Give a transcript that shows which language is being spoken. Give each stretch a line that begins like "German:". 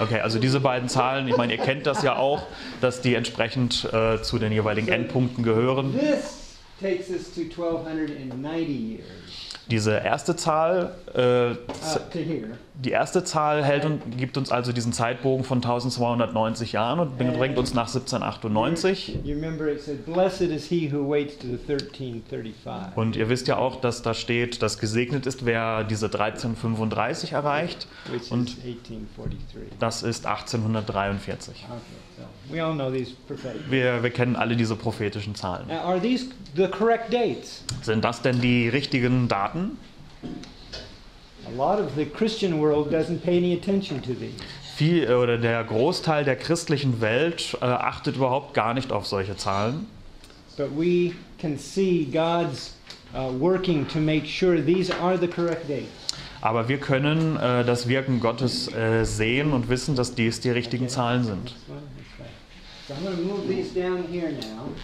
German: Okay, also diese beiden Zahlen, ich meine, ihr kennt das ja auch, dass die entsprechend zu den jeweiligen Endpunkten gehören.
English: This takes us to 1290 years.
German: Diese erste Zahl, die erste Zahl hält und gibt uns also diesen Zeitbogen von 1290 Jahren und bringt uns nach 1798.
English: You remember it said, "Blessed is he who waits to the 1335."
German: Und ihr wisst ja auch, dass da steht, dass gesegnet ist, wer diese 1335 erreicht. Und das ist 1843.
English: Okay, so we all know these prophetic
German: dates. Wir kennen alle diese prophetischen Zahlen.
English: Now, are these the correct dates?
German: Sind das denn die richtigen Daten?
English: A lot of the Christian world doesn't pay any attention to these.
German: Viel oder der Großteil der christlichen Welt achtet überhaupt gar nicht auf solche Zahlen.
English: But we can see God's working to make sure these are the correct dates.
German: Aber wir können das Wirken Gottes sehen und wissen, dass dies die richtigen Zahlen sind.
English: So I'm going to move these down here now.